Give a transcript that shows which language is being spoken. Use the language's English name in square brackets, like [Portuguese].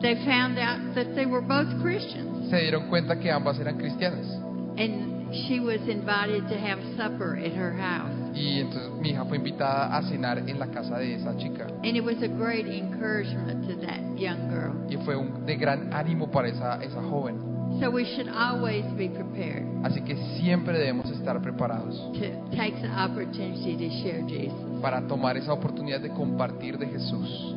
[English] They found out that they were both Christians. [Spanish] Se dieron cuenta que ambas eran cristianas. [English] And she was invited to have supper at her house. [Spanish] Y entonces mi hija fue invitada a cenar en la casa de esa chica. [English] And it was a great encouragement to that young girl. [Spanish] Y fue de gran ánimo para esa joven. [English] So we should always be prepared. [Spanish] Así que siempre debemos estar preparados. [English] To take the opportunity to share Jesus. [Spanish] Para tomar esa oportunidad de compartir de Jesús.